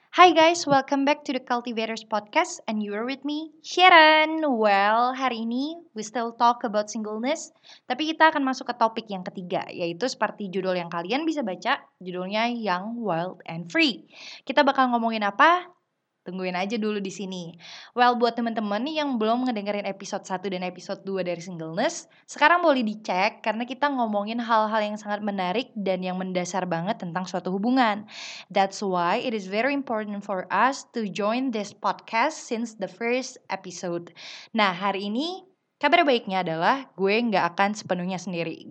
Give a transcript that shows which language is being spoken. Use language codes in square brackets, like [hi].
[en] Hi guys, welcome back to the Cultivators Podcast and you are with me, Sharon. [id] Well, hari ini [en] we still talk about singleness, [id] tapi kita akan masuk ke topik yang ketiga, yaitu seperti judul yang kalian bisa baca, judulnya Young, Wild, and Free. Kita bakal ngomongin apa? Tungguin aja dulu di sini. Well, buat teman-teman yang belum ngedengerin episode 1 dan episode 2 dari Singleness, sekarang boleh dicek karena kita ngomongin hal-hal yang sangat menarik dan yang mendasar banget tentang suatu hubungan. [en] That's why it is very important for us to join this podcast since the first episode. [id] Nah, hari ini kabar baiknya adalah gue gak akan sepenuhnya sendiri.